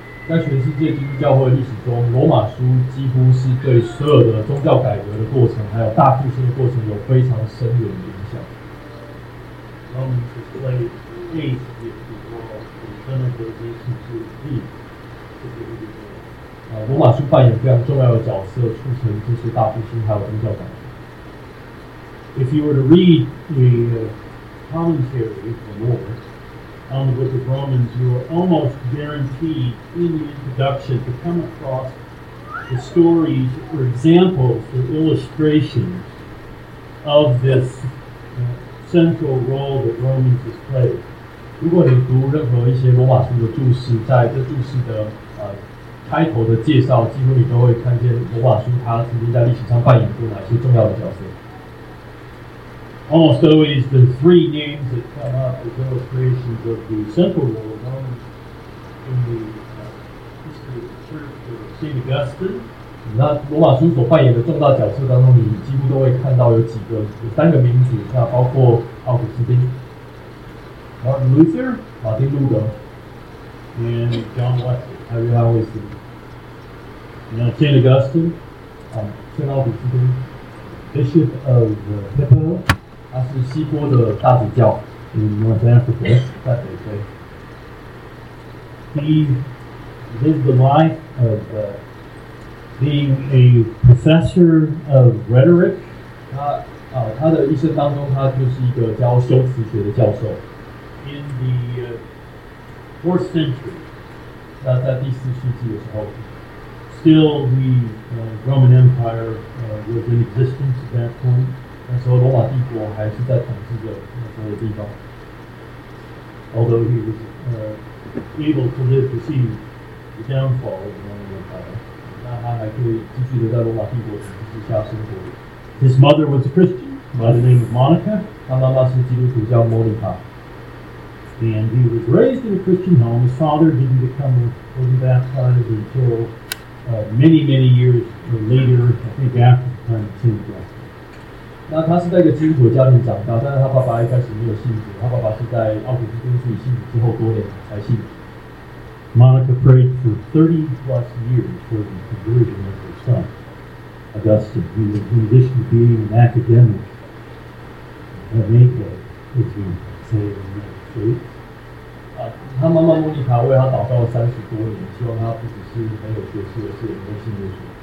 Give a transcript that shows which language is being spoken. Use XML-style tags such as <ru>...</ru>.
<zh>在全世界基督教会历史中，罗马书几乎是对所有的宗教改革的过程，还有大复兴的过程有非常深远的影响。</zh> <en>Romans has played a significant role in terms of the history of the</en> <zh>罗马书扮演非常重要的角色，促成这些大复兴还有宗教改革。</zh> <en>If you were to read the commentary for more. On the Book of Romans, you are almost guaranteed in the introduction to come across the stories or examples or illustrations of this central role that Romans has played.</en> <zh>如果你读任何一些罗马书的注释，在这注释的开头的介绍，几乎你都会看见罗马书它曾经在历史上扮演过哪些重要的角色。</zh> <en>Almost always the three names that come up as illustrations of the central role of Romans in the history of the church are St. Augustine.</en> <zh>那罗马书所扮演的重大角色当中，你几乎都会看到有几个，有三个名字，那包括奥古斯丁</zh> <en>Martin Luther,</en> <zh>马丁路德</zh> <en>and John Wesley,</en> <zh>还有约翰卫斯理。</zh> <en>那 St. Augustine,</en> <zh>圣奥古斯丁</zh> <en>Bishop of the Hippo,</en> <zh>他是西波的大主教</zh> <en>in North Africa,</en> <zh>在北非。</zh> <en>He lived the life of being a professor of rhetoric.</en> <zh>他的一生当中，他就是一个教修辞学的教授。</zh> <en>In the fourth century,</en> <zh>那在第四世纪的时候</zh> <en>，still the Roman Empire was in existence at that point.</en> <zh>那时候罗马帝国还是在统治着那时候的地方。</zh> <en>Although he was able to live to see the downfall of the Roman Empire,</en> <zh>那他还可以继续的在罗马帝国统治之下生活。</zh> <en>His mother was a Christian by the name of Monica.</en> <zh>他妈妈是基督徒叫莫妮卡。</zh> <en>And he was raised in a Christian home. His father didn't become baptized until many, many years later, I think after the time of St. Augustine.</en> <zh>那他是在一个基督徒家庭长大，但是他爸爸一开始没有信主，他爸爸是在奥古斯丁自己信主之后多年才信。</zh> <en>Monica prayed for 30 plus years for the conversion of her son, Augustine. He was, in addition to being an academic, a maker, if you say it in the States.</en> <zh>他妈妈莫妮卡为他祷告了30多年，希望他不只是很有学识，而是能够信耶稣。</zh>